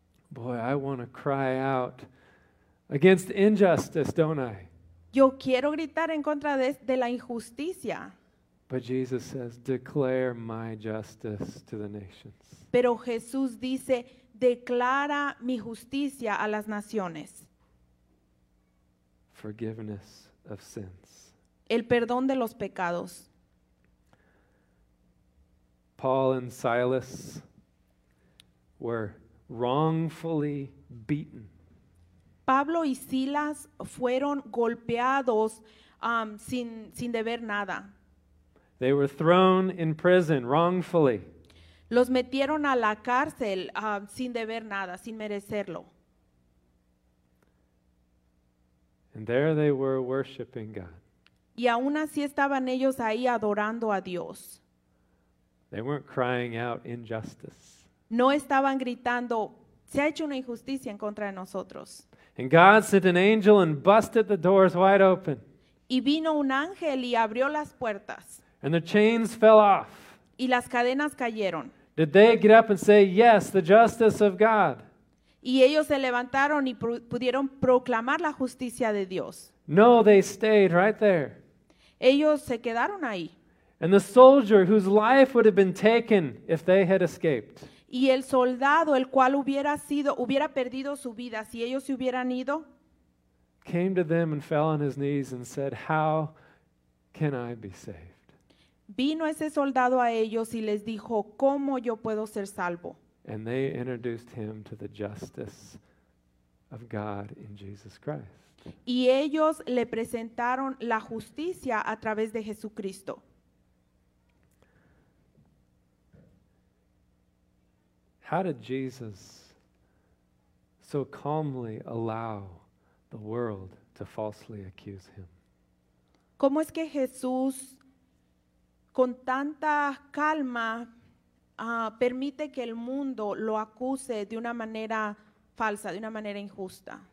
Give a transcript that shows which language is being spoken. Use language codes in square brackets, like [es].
[en] Boy, I want to cry out against injustice, don't I? [es] Yo quiero gritar en contra de la injusticia. [en] But Jesus says, declare my justice to the nations. [es] Pero Jesús dice, declara mi justicia a las naciones. [en] Forgiveness of sins. [es] El perdón de los pecados. [en] Paul and Silas were wrongfully beaten. [es] Pablo y Silas fueron golpeados sin deber nada. [en] They were thrown in prison wrongfully. [es] Los metieron a la cárcel sin deber nada, sin merecerlo. [en] And there they were worshiping God. [es] Y aún así estaban ellos ahí adorando a Dios. [en] They weren't crying out injustice. [es] No estaban gritando, se ha hecho una injusticia en contra de nosotros. [en] And God sent an angel and busted the doors wide open. [es] Y vino un ángel y abrió las puertas. [en] And the chains fell off. [es] Y las cadenas cayeron. [en] Did they get up and say, yes, the justice of God? [es] Y ellos se levantaron y pudieron proclamar la justicia de Dios. [en] No, they stayed right there. [es] Ellos se quedaron ahí. [en] And the soldier whose life would have been taken if they had escaped. [es] Y el soldado, el cual hubiera perdido su vida si ellos se hubieran ido, [en] came to them and fell on his knees and said, how can I be saved? [es] Vino ese soldado a ellos y les dijo, ¿cómo yo puedo ser salvo? [en] And they introduced him to the justice of God in Jesus Christ. [es] Y ellos le presentaron la justicia a través de Jesucristo. [en] How did Jesus so calmly allow the world to falsely accuse him? [es] ¿Cómo es que Jesús con tanta calma permite que el mundo lo acuse de una manera falsa, de una manera injusta?